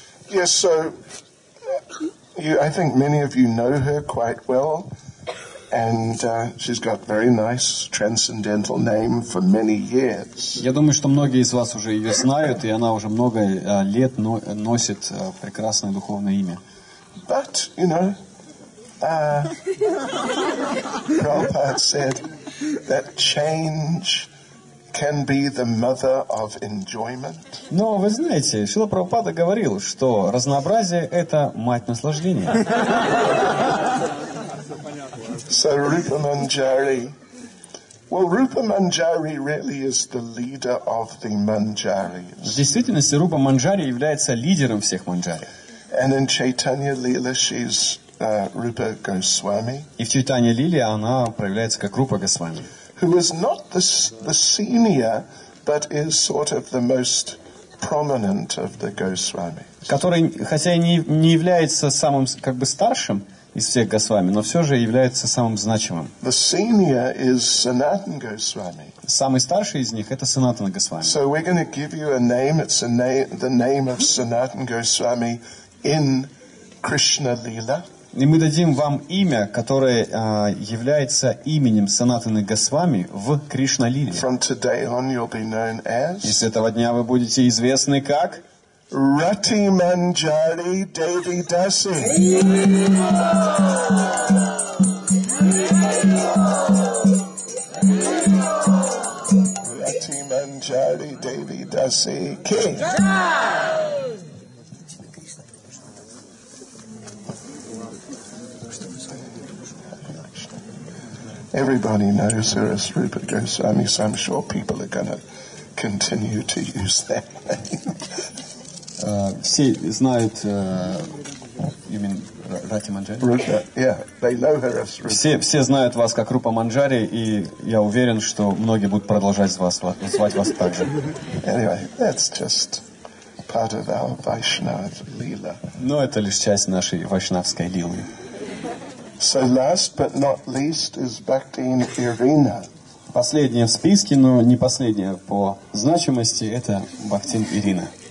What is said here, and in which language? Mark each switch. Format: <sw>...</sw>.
<en>Yes, so I think many of you know her quite well, and she's got very nice transcendental name for many years.</en> <ru>Я думаю, что многие из вас уже ее знают, и она уже много лет носит прекрасное духовное имя.</ru> <en>But you know, Prabhupada said that change can be the mother of enjoyment.</en> <ru>Но вы знаете, Шрила Прабхупада говорил, что разнообразие – это мать наслаждения.</ru> <en>So Rupa Manjari. Well, Rupa Manjari really is the leader of the Manjaris.</en> <ru>В действительности Рупа Манджари является лидером всех Манджари.</ru> <en>And in Chaitanya Lila, she's Rupa Goswami.</en> <ru>И в Чайтанья Лиле она проявляется как Рупа Госвами.</ru> <en>Who is not the senior, but is sort of the most prominent of the Goswami.</en> <ru>Который, хотя и не является самым как бы старшим из всех Госвами, но все же является самым значимым.</ru> <en>The senior is Sanatana Goswami.</en> <ru>Самый старший из них это Санатана Госвами.</ru> <en>So we're going to give you a name. It's a name, the name of Sanatana Goswami in Krishna Lila.</en> <ru>И мы дадим вам имя, которое является именем Санатаны Госвами в Кришна-лиле.</ru> <en>From today on you'll be known as...</en> <ru>И с этого дня вы будете известны как... Рати Манджари Деви Даси. Рати Манджари Деви Даси Ки.</ru> <en>Everybody knows her as Rupa Goswami, so I'm sure people are going to continue to use that name.</en> <ru>Все знают имя Рати Манджари.</ru> <en>Rupa, yeah, they know her as Rupa.</en> <ru>Все знают вас как Рупа Манджари, и я уверен, что многие будут продолжать звать вас так же.</ru> <en>Anyway, that's just part of our Vaishnava Lila.</en> <ru>Но это лишь часть нашей вайшнавской лилы.</ru> <en>So last but not least is Bhaktin Irina.</en> <ru>Последняя в списке, но не последняя по значимости, это Бхактин Ирина.</ru>